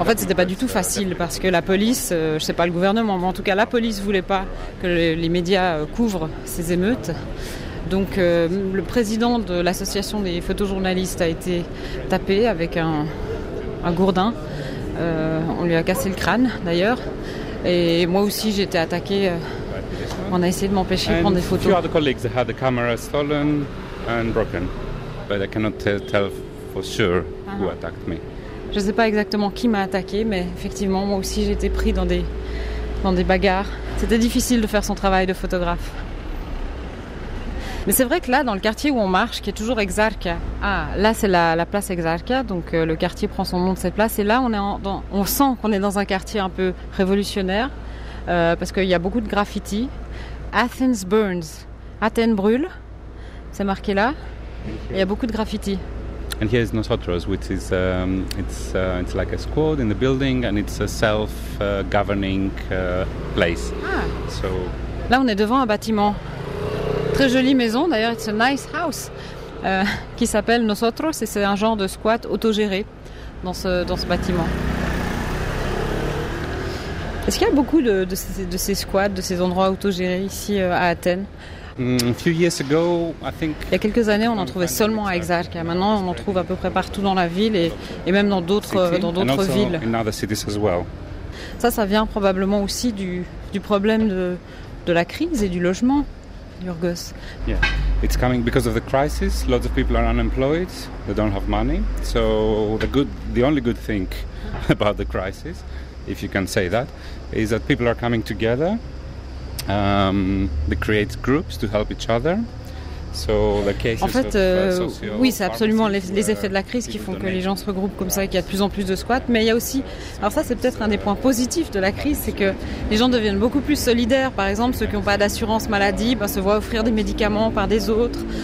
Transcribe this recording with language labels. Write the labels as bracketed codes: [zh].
[fr] En fait, c'était pas du tout facile parce que la police, je sais pas le gouvernement, mais en tout cas la police voulait pas que les médias couvrent ces émeutes. Donc le président de l'association des photojournalistes a été tapé avec un gourdin. On lui a cassé le crâne d'ailleurs, et moi aussi j'ai été attaquée. On a essayé de m'empêcher de prendre des photos. [en] A few other colleagues had the camera stolen and broken, but I cannot tell for sure who attacked me. [fr] Je ne sais pas exactement qui m'a attaqué, mais effectivement moi aussi j'ai été pris dans des bagarres. C'était difficile de faire son travail de photographe. Mais c'est vrai que là, dans le quartier où on marche, qui est toujours Exarchia, là c'est la place Exarchia, donc le quartier prend son nom de cette place, et là on sent qu'on est dans un quartier un peu révolutionnaire, parce qu'il y a beaucoup de graffiti. [en] Athens burns, [fr] Athènes brûle, c'est marqué là, et il y a beaucoup de graffiti. [en] And here is Nosotros, which is it's like a squad in the building, and it's a self-governing place. [fr] Là on est devant un bâtiment. Très jolie maison, d'ailleurs, [en] it's a nice house, [fr] qui s'appelle Nosotros, et c'est un genre de squat autogéré dans ce bâtiment. Est-ce qu'il y a beaucoup de ces squats, de ces endroits autogérés ici à Athènes? [en] A few years ago, I think... [fr] Il y a quelques années, on en trouvait seulement à Exarchia. Maintenant, on en trouve à peu près partout dans la ville et même dans d'autres villes. [en] In other cities as well. [fr] Ça vient probablement aussi du problème de la crise et du logement. Yorgos. [en] Yeah, it's coming because of the crisis. Lots of people are unemployed. They don't have money. So the only good thing about the crisis, if you can say that, is that people are coming together. They create groups to help each other. [fr] En fait, oui, c'est absolument les effets de la crise qui font que les gens se regroupent comme ça et qu'il y a de plus en plus de squats. Mais il y a aussi, alors ça c'est peut-être un des points positifs de la crise, c'est que les gens deviennent beaucoup plus solidaires. Par exemple, ceux qui n'ont pas d'assurance maladie se voient offrir des médicaments par des autres.